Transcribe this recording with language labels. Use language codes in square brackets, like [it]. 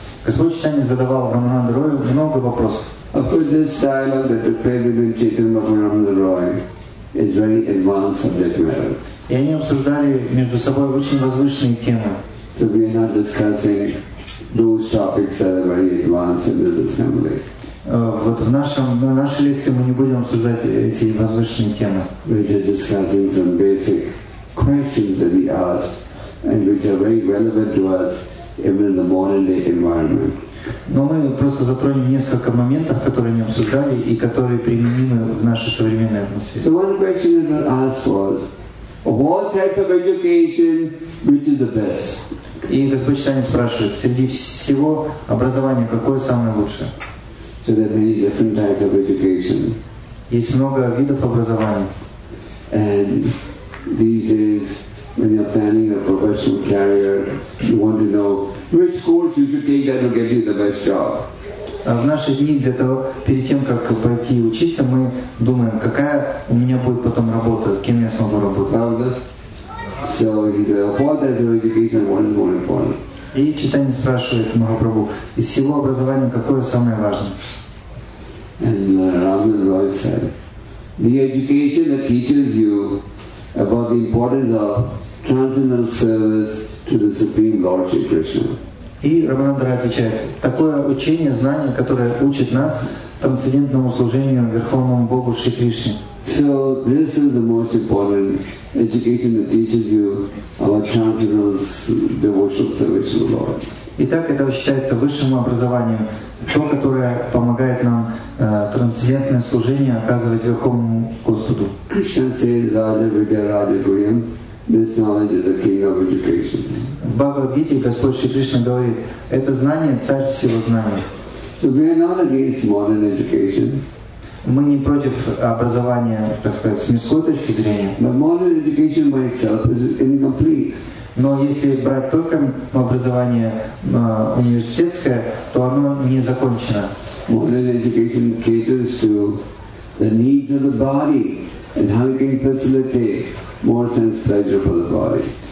[ru] Господь Читание задавал Рамананда Рою много вопросов. [en] Of course, this dialogue that the President Chaitanya of Ramananda Roy is very advanced subject matter. [ru] И они обсуждали между собой очень возвышенные темы. [en] So we are not discussing those topics that are very advanced in this assembly. [ru] Вот на нашей лекции мы не будем обсуждать эти возвышенные темы. [en] We are discussing some basic questions that he asked and which are very relevant to us even in the modern day environment. [ru] Но мы просто затронем несколько моментов, которые не обсуждали и которые применимы в нашей современной атмосфере. [en] So one question that was asked was, of all types of education, which is the best? [ru] И Господь Читание спрашивает, среди всего образования какое самое лучшее? [en] So there are many different types of education. [ru] Есть много видов образования. [en] And these days, when you're planning a professional career, you want to know which course you should take that will get you the best job. [ru] В наши дни для того, перед тем как пойти учиться, мы думаем, какая у меня будет потом работа, кем я смогу работать. [en] So he said, what type of education is more important? [ru] И Читание спрашивает Махапрабху, из всего образования какое самое важное? [en] And Ramananda Roy said, the education that teaches you about the importance of transcendental service to the Supreme Lord Shri Krishna. [ru] И Рамананда Рай отвечает, такое учение, знание, которое учит нас трансцендентному служению Верховному Богу Шри Кришне. [en] So this is the most important education that teaches you about transcendental devotional service to the Lord. [ru] Итак, это считается высшим образованием, то, которое помогает нам трансцендентное служение оказывать Верховному Господу. Бхагавад-гите Господь Шри Кришна говорит, это знание царь всего знаний. [en] So we are not against modern education. [ru] Мы не против образования, так сказать, с мирской точки зрения. [en] But modern education by itself is incomplete. [ru] Но если брать только образование университетское, то оно не закончено. [en] Modern education caters to the needs of the body and how it can facilitate more sense pleasure for the body.